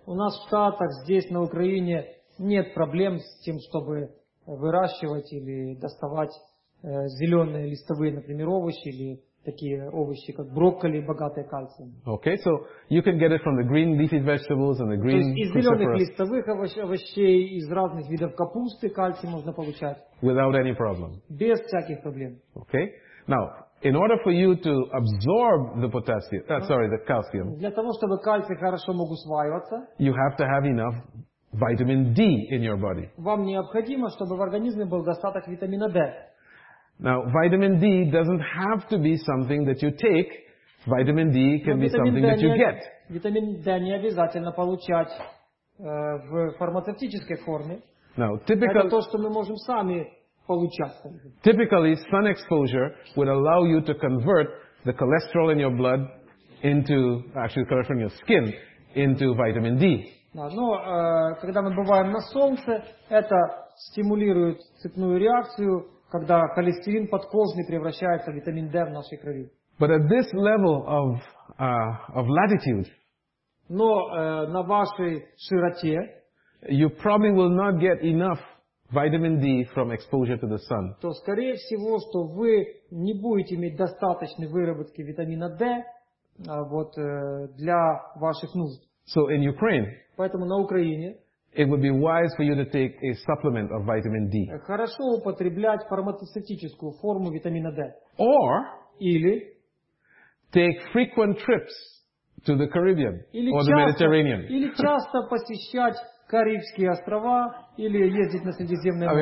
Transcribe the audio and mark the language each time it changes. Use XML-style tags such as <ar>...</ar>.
<ru>У нас в Штатах, здесь на Украине, нет проблем с тем, чтобы выращивать или доставать зеленые листовые, например, овощи или такие овощи, как брокколи, богатые кальцием.</ru> <en>Okay, so you can get it from the green leafy vegetables and the green cruciferous.</en> <ru>То есть из зеленых листовых овощей, из разных видов капусты кальций можно получать.</ru> <en>Without any problem.</en> <ru>Без всяких проблем.</ru> <en>Okay, now in order for you to absorb the calcium.</en> <ru>Для того чтобы кальций хорошо мог усваиваться.</ru> <en>You have to have enough vitamin D in your body.</en> <ru>Вам необходимо, чтобы в организме был достаток витамина D.</ru> <en>Now, vitamin D doesn't have to be something that you take. Vitamin D can be something that you get.</en> <ru>Витамин D не обязательно получать в фармацевтической форме.</ru> <en>Now, typically,</en> <ru>это то, что мы можем сами получать.</ru> <en>Typically, sun exposure would allow you to convert the cholesterol in your blood into, actually, the cholesterol in your skin into vitamin D.</en> <ru>Но когда мы бываем на солнце, это стимулирует цепную реакцию, когда холестерин подкожный превращается в витамин D в нашей крови.</ru> <en>But at this level of latitude,</en> <ru>но на вашей широте,</ru> <en>you probably will not get enough vitamin D from exposure to the sun.</en> <ru>То скорее всего, что вы не будете иметь достаточной выработки витамина D для ваших нужд.</ru> <en>So in Ukraine,</en> <ru>поэтому на Украине,</ru> <en>it would be wise for you to take a supplement of vitamin D.</en> <ru>Хорошо употреблять фармацевтическую форму витамина D.</ru> <en>Or,</en> <ru>или</ru> <en>take frequent trips to the Caribbean</en> <ru>или</ru> <en>or</en> <ru>часто,</ru> <en>the Mediterranean.</en> <ru>Или часто посещать Карибские острова или ездить на Средиземное море.</ru>